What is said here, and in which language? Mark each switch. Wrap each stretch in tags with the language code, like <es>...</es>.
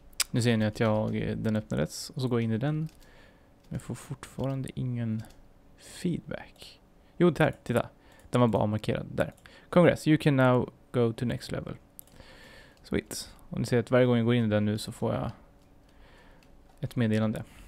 <sv>Nu ser ni att den öppnades och så går jag in i den. Men får fortfarande ingen feedback. Jo, där, titta. Den var bara markerad där.</sv> <en>Congrats, you can now go to next level.</en> <sv>Sweet. Och ni ser att varje gång jag går in i den nu så får jag ett meddelande.</sv>